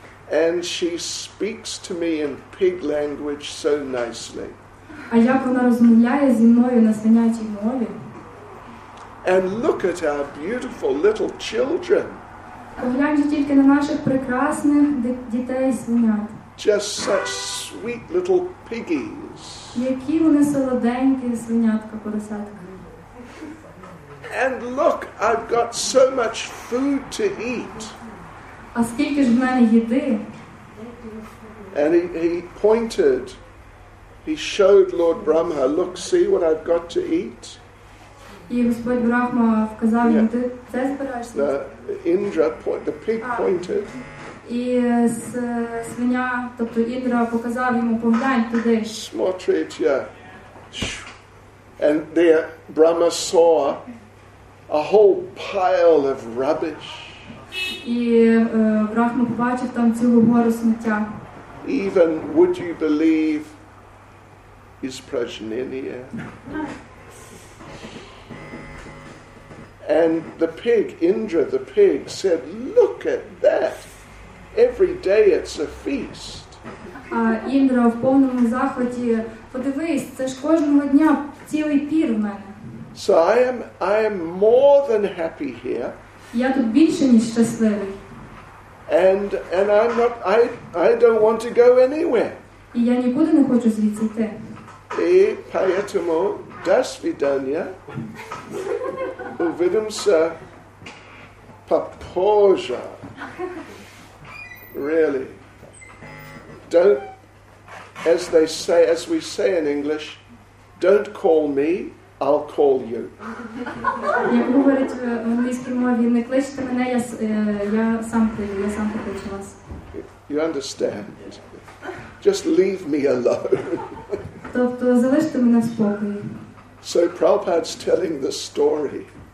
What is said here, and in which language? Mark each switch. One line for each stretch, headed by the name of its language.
English: And she speaks to me in pig language so nicely.
Ukrainian: А як вона розмовляє зі мною на свинячій мові?
English: And look at our beautiful little children.
Ukrainian: Поглянь тільки на наших прекрасних дітей свинят.
English: Just such sweet little piggies.
Ukrainian: Які вони солоденькі, свинятка, поросятка.
English: And look, I've got so much food to eat.
Ukrainian: А скільки ж в мене їди?
English: And he pointed. He showed Lord Brahma, "Look, see what I've got to eat."
Ukrainian: І Господь Брахма вказав йому, "Ти це збираєшся?"
English: The pig pointed.
Ukrainian: І свиня, тобто Індра, показав йому, поглянь туди.
Russian: Смотрите, yeah.
English: And there Brahma saw a whole pile of rubbish.
Ukrainian: І Брахма побачив там цілу гору сміття.
English: Even would you believe his prajnaniya? And the pig, Indra, the pig, said, "Look at that. Every day it's a feast."
Ukrainian: А Індра в повному захваті, подивись, це ж кожного дня цілий пір у мене.
English: So I am more than happy here.
Ukrainian: Я тут більше ніж щасливий.
English: And I don't want to go anywhere.
Ukrainian: І я нікуди не хочу звідси йти.
Russian: І поэтому до свидания. Увидимся попозже.
English: Really, don't, as they say, as we say in English, don't call me, I'll call you.
Ukrainian: Як говорить в англійській мові, не кличте мене, я сам покличу вас.
English: You understand? Just leave me alone.
Ukrainian: Тобто, залиште мене в спокої.
English: So Prabhupada's telling the story.